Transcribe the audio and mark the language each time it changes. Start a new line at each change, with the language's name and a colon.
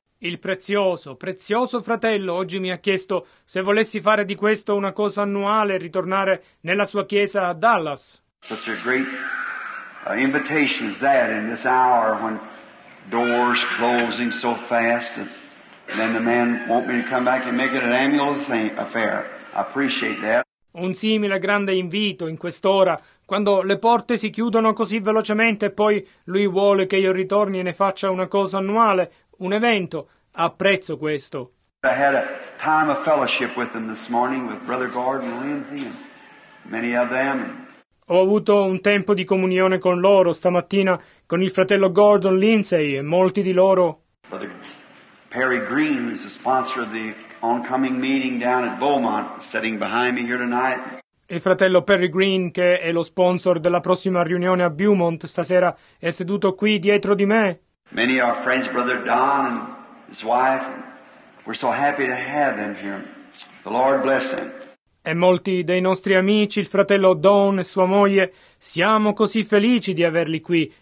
Italian: Il prezioso, prezioso fratello oggi mi ha chiesto se volessi fare di questo una cosa annuale e ritornare nella sua chiesa a Dallas.
English: Such a great invitation is that in this hour when doors closing so fast and then the man want me to come back and make it an annual thing, affair. I appreciate that.
Italian: Un simile grande invito in quest'ora, quando le porte si chiudono così velocemente e poi lui vuole che io ritorni e ne faccia una cosa annuale. Un evento. Apprezzo questo.
English: I had a time of fellowship with them this morning with Brother Gordon Lindsay and many of them.
Italian: Ho avuto un tempo di comunione con loro stamattina con il fratello Gordon Lindsay e molti di loro.
English: Brother Perry Green, who's the sponsor of the oncoming meeting down at Beaumont, sitting behind me here tonight.
Italian: Il fratello Perry Green, che è lo sponsor della prossima riunione a Beaumont stasera, è seduto qui dietro di me.
English: Many of our friends, Brother Don and his wife, we're so happy to have them here. The Lord bless them.
Italian: E molti dei nostri amici, il fratello Don e sua moglie, siamo così felici di averli qui.